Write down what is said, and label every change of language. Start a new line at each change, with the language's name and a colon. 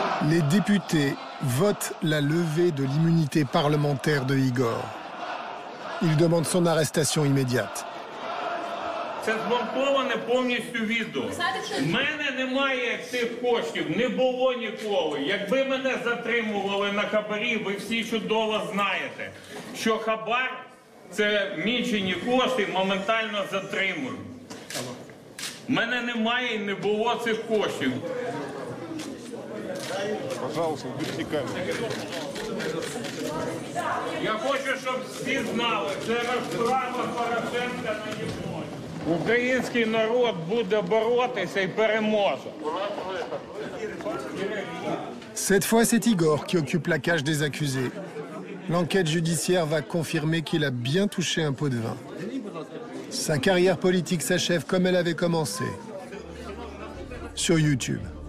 French: Les députés votent la levée de l'immunité parlementaire de Igor. Ils demandent son arrestation immédiate.
Ukrainian: Це змонтоване повністю відео. У мене немає цих коштів, не було ніколи. Якби мене затримували на хабарі, ви всі чудово знаєте, що хабар – це мічені кошти, моментально затримують. У мене немає і не було цих коштів.
Russian: Пожалуйста,
Ukrainian: вдихні камеру. Я хочу, щоб всі знали, це розправа Порошенка на нього. Український народ буде боротися і переможе.
French: Cette fois, c'est Igor qui occupe la cage des accusés. L'enquête judiciaire va confirmer qu'il a bien touché un pot de vin. Sa carrière politique s'achève comme elle avait commencé. Sur YouTube.